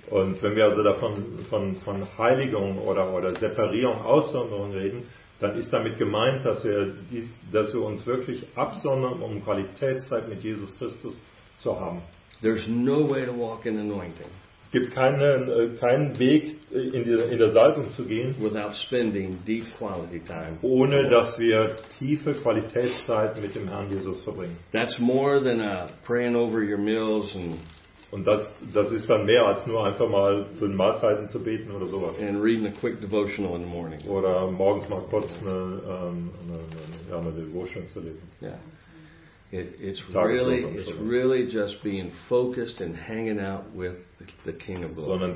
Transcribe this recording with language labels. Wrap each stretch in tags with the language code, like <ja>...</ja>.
<de>Und wenn wir also davon von Heiligung oder Separierung, Aussonderung reden, dann ist damit gemeint, dass wir uns wirklich absondern, um Qualitätszeit mit Jesus Christus zu haben.</de> <en>There's no way to walk in anointing.</en> <de>Es gibt keinen Weg in der Salbung zu gehen,</de> <en>without spending deep quality time,</en> <de>ohne dass wir tiefe Qualitätszeit mit dem Herrn Jesus verbringen.</de> <en>That's more than a praying over your meals and</en> <de>das ist dann mehr als nur einfach mal zu den Mahlzeiten zu beten oder sowas.</de> <en>And reading a quick devotional in the morning.</en> <de>Oder morgens mal kurz eine Devotion zu lesen.</de> <en>Yeah. It's really just being focused and hanging out with the King of Glory.</en>